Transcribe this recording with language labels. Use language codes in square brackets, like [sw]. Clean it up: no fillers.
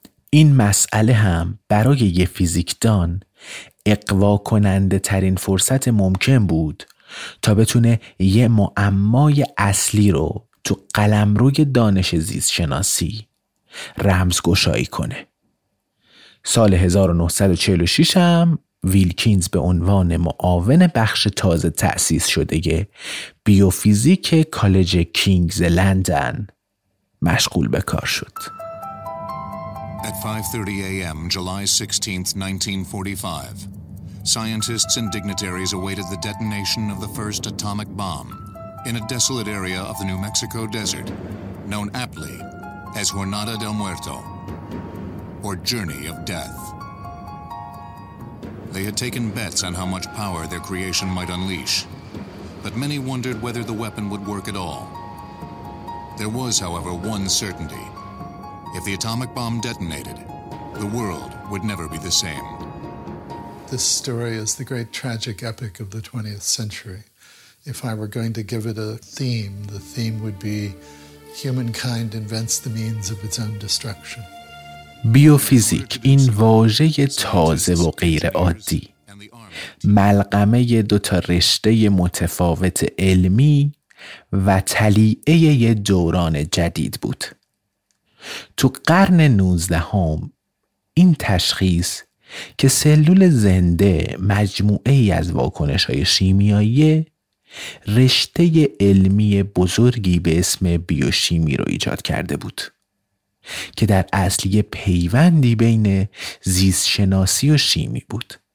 [fa] این مسئله هم برای یه فیزیکدان اقوا کننده ترین فرصت ممکن بود تا بتونه یه معمای اصلی رو تو قلمروی دانش زیست شناسی رمزگشایی کنه. سال 1946 هم ویلکینز به عنوان معاون بخش تازه تأسیس شده بیوفیزیک کالج کینگز لندن مشغول به کار شد. [en] At 5:30 AM, July 16th, 1945, scientists and dignitaries awaited the detonation of the first atomic bomb in a desolate area of the New Mexico desert, known aptly as Jornada del Muerto, or Journey of Death. They had taken bets on how much power their creation might unleash, but many wondered whether the weapon would work at all. There was, however, one certainty. If the atomic bomb detonated, the world would never be the same. This story is the great tragic epic of the 20th century. If I were going to give it a theme, the theme would be humankind invents the means of its own destruction. [fa] بیوفیزیک، این واژه تازه و غیر عادی، ملغمه دوتا رشته متفاوت علمی و تلیعه ی دوران جدید بود. تو قرن 19 این تشخیص که سلول زنده مجموعه ای از واکنش های شیمیایی، رشته علمی بزرگی به اسم بیوشیمی رو ایجاد کرده بود که در اصل یه پیوندی بین زیست شناسی و شیمی بود.